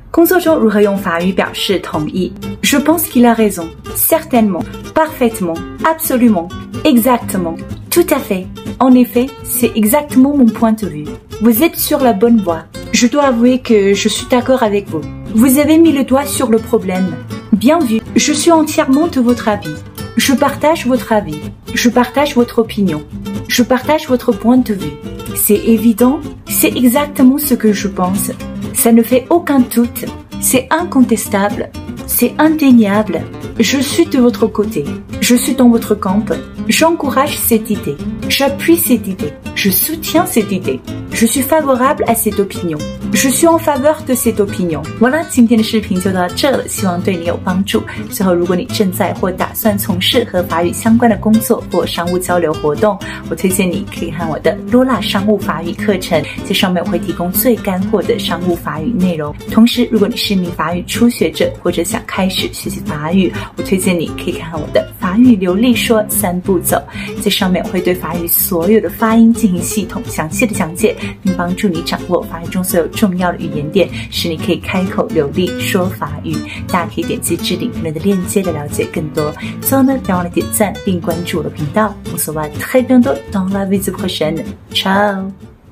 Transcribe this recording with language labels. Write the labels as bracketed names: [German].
[Chinese] 工作中如何用法语表示同意 ？ [French] Je pense qu'il a raison. Certainement, parfaitement, absolument, exactement, tout à fait. En effet, c'est exactement mon point de vue. Vous êtes sur la bonne voie. Je dois avouer que je suis d'accord avec vous. Vous avez mis le doigt sur le problème. Bien vu. Je suis entièrement de votre avis. Je partage votre avis. Je partage votre opinion. Je partage votre point de vue. C'est évident. C'est exactement ce que je pense. Ça ne fait aucun doute. C'est incontestable. C'est indéniable. Je suis de votre côté. Je suis dans votre camp. J'encourage cette idée. J'appuie cette idée. Je soutiens cette idée. Je suis favorable à cette opinion. Je suis en faveur de cette opinion. Voilà, [Chinese] 今天的视频就到这了，希望对你有帮助。最后，如果你正在或打算从事和法语相关的工作或商务交流活动，我推荐你可以看我的 Lola 商务法语课程，在上面会提供最干货的商务法语内容。同时，如果你是一名法语初学者或者想开始学习法语，我推荐你可以看我的法语流利说三步骤，在上面会对法语所有的发音进行系统详细的讲解，并帮助你掌握法语中所有重要的语言点，使你可以开口流利说法语。大家可以点击置顶评论的链接来了解更多。最后呢，别忘了点赞并关注我的频道。 [French] On se voit très bientôt dans la vidéo prochaine. Ciao!